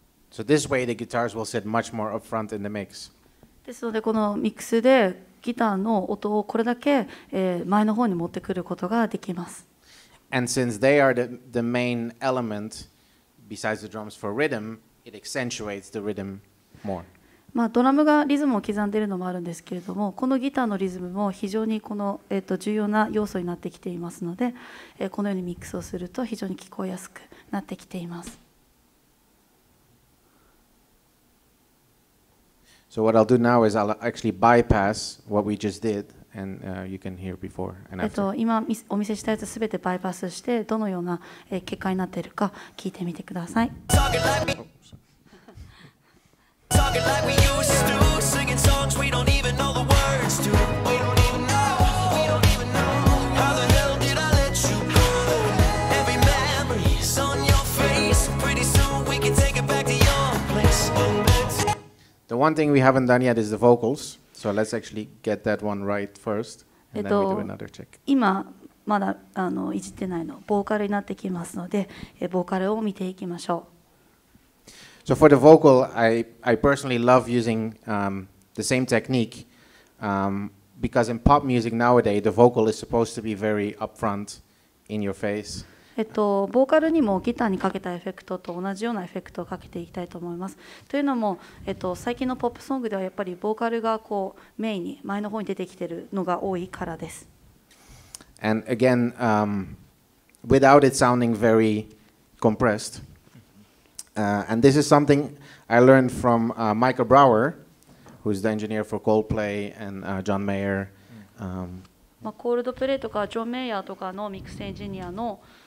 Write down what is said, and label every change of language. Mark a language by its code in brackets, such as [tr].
[en] So this way the guitars will sit much more upfront in the mix. [ja] ですのでこのミックスでギターの音をこれだけ前の方に持ってくることができます。 [en] And since they are the main element besides the drums for rhythm, it accentuates the rhythm more. [ja] まあドラムがリズムを刻んでいるのもあるんですけれども、このギターのリズムも非常にこの重要な要素になってきていますので、このようにミックスをすると非常に聞こえやすくなってきています。 [en] So what I'll do now is I'll actually bypass what we just did, and you can hear before and after. [ja] 今お見せしたやつすべてバイパスして、どのような結果になっているか聞いてみてください。 [en] The one thing we haven't done yet is the vocals. So let's actually get that one right first, and then we do another check. [ja] 今まだいじってないのボーカルになってきますので、ボーカルを見ていきましょう。 [en] So for the vocal, I personally love using the same technique because in pop music nowadays, the vocal is supposed to be very upfront, in your face. [ja] ボーカルにもギターにかけたエフェクトと同じようなエフェクトをかけていきたいと思います。というのも、最近のポップソングではやっぱりボーカルがこうメインに前の方に出てきているのが多いからです。 [en] And again, without it sounding very compressed. And this is something I learned from Michael Brauer, who's the engineer for Coldplay and John Mayer. [ja] まあ、コールドプレイとかジョン・メイヤーとかのミックスエンジニアの